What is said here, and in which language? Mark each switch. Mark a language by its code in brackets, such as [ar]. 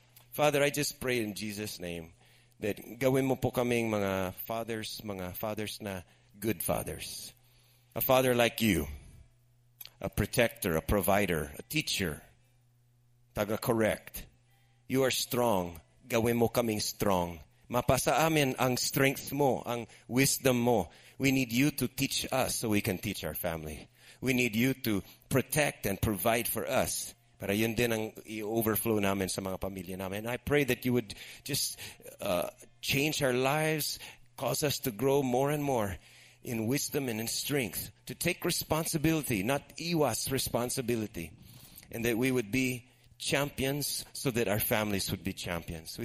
[en] Father, I just pray in Jesus' name that [tl] gawin mo po kaming mga [en] fathers na good fathers. A father like you, a protector, a provider, a teacher, taga-correct, You are strong. [tl] Gawin mo kaming [en] strong. [tl] Mapasa amin ang strength mo, ang wisdom mo. [en] We need you to teach us so we can teach our family. We need you to protect and provide for us. [tl] Para yun din ang i-overflow namin sa mga pamilya namin. [en] And I pray that you would just change our lives, cause us to grow more and more in wisdom and in strength, to take responsibility, not iwas responsibility, and that we would be champions so that our families would be champions.